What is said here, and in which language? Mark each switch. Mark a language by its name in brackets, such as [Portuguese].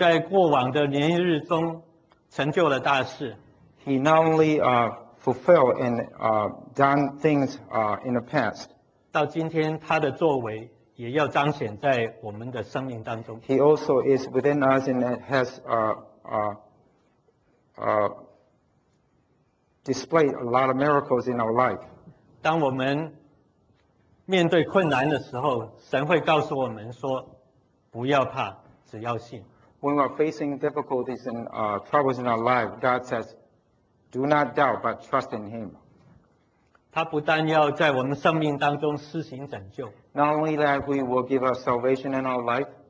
[Chinese] 他不仅在过往的年日中成就了大事, [English] He not only fulfilled and done things in the past, [Chinese] 到今天他的作为也要彰显在我们的生命当中。 [English] He also is within us and has displayed a lot of miracles in our life. [Chinese] 当我们面对困难的时候, 神会告诉我们说, 不要怕, 只要信。 [English] When we are facing difficulties and troubles in our life, God says, do not doubt, but trust in Him. [Chinese] 他不但要在我们生命当中施行拯救, [English] not only that, we will give us salvation in our life,